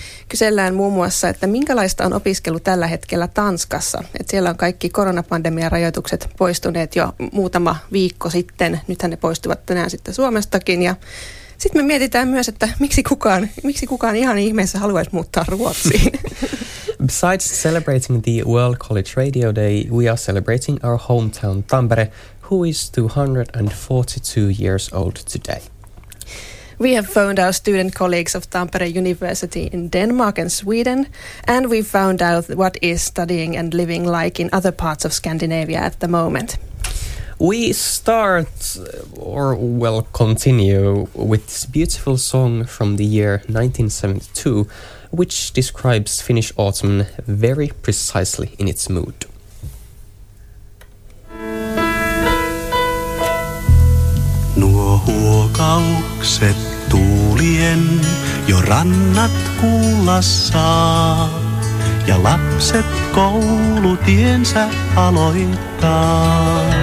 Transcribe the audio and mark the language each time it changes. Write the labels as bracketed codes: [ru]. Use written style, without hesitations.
[fi] Kysellään muun muassa, että minkälaista on opiskelu tällä hetkellä Tanskassa. Että siellä on kaikki koronapandemian rajoitukset poistuneet jo muutama viikko sitten. Nythän ne poistuvat tänään sitten Suomestakin. Ja sitten me mietitään myös, että miksi kukaan ihan ihmeessä haluaisi muuttaa Ruotsiin. [en] Besides celebrating the World College Radio Day, we are celebrating our hometown Tampere, who is 242 years old today. We have phoned our student colleagues of Tampere University in Denmark and Sweden, and we found out what is studying and living like in other parts of Scandinavia at the moment. We start, or well, continue with this beautiful song from the year 1972, which describes Finnish autumn very precisely in its mood. [fi] Nuo huokaukset tuulien jo rannat kuulassa ja lapset koulutiensä aloittaa.